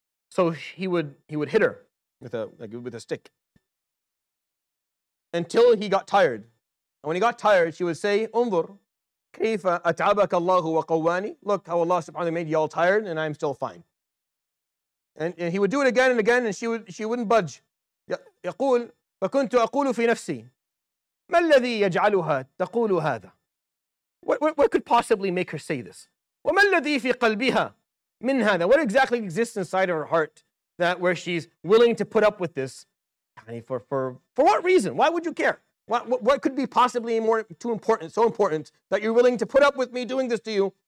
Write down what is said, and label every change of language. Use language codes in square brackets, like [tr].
[en] So he would hit her with a stick until he got tired. And when he got tired, she would say, [ar] "Unzur, kayfa at'abaka Allahu wa qawwani." [en] Look how Allah subhanahu wa ta'ala made y'all tired, and I'm still fine. And he would do it again and again, and she wouldn't budge. [ar] يقول فكنت أقول في نفسي ما الذي يجعلها تقول هذا. [en] What could possibly make her say this? [ar] وما الذي في قلبها من هذا. [en] What exactly exists inside of her heart that where she's willing to put up with this? For what reason? Why would you care? What could be possibly more too important, so important that you're willing to put up with me doing this to you?